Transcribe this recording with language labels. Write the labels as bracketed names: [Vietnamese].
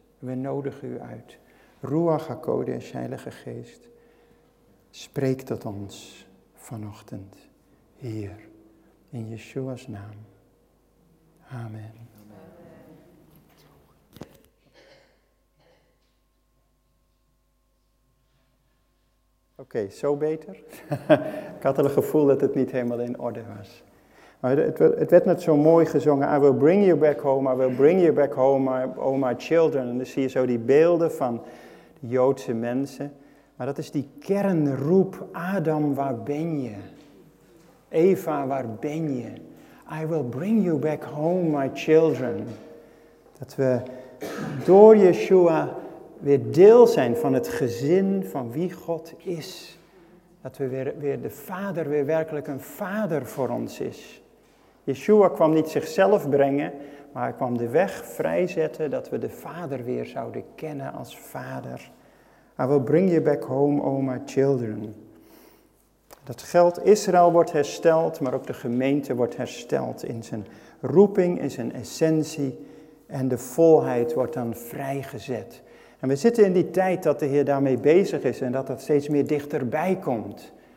[Dutch] We nodigen u uit. Ruach HaKodesh, Heilige Geest, spreek tot ons vanochtend hier in Yeshua's naam. Amen. Oké, zo beter. Ik had al het gevoel dat het niet helemaal in orde was. Maar het werd net zo mooi gezongen. [English] I will bring you back home, I will bring you back home, oh my children. [Dutch] En dan zie je zo die beelden van de Joodse mensen. Maar dat is die kernroep. Adam, waar ben je? Eva, waar ben je? [English] I will bring you back home, my children. [Dutch] Dat we door Yeshua weer deel zijn van het gezin van wie God is. Dat we weer de Vader, weer werkelijk een Vader voor ons is. Yeshua kwam niet zichzelf brengen, maar hij kwam de weg vrijzetten dat we de Vader weer zouden kennen als Vader. [English] I will bring you back home, O my children. [Dutch] Dat geldt, Israël wordt hersteld, maar ook de gemeente wordt hersteld in zijn roeping, in zijn essentie. En de volheid wordt dan vrijgezet. En we zitten in die tijd dat de Heer daarmee bezig is en dat dat steeds meer dichterbij komt.